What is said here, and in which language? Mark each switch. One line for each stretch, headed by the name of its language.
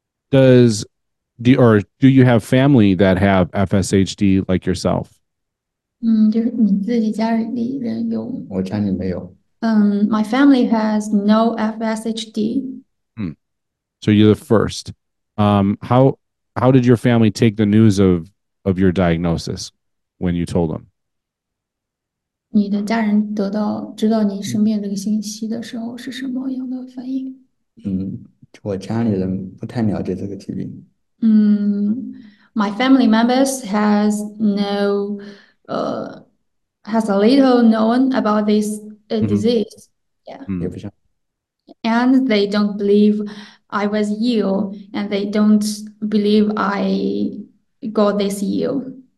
English: Do you have family that have FSHD like yourself?
Chinese: 就是你自己家里人有？我家里没有。
English: My family has no FSHD. So you're the first. How did your family take the news of your diagnosis when you told them?
Chinese: 你的家人知道你生病这个信息的时候是什么样的反应？我家里人不太了解这个疾病。
English: My family members has a little known about this disease. And they don't believe I was ill, and they don't believe I got this ill.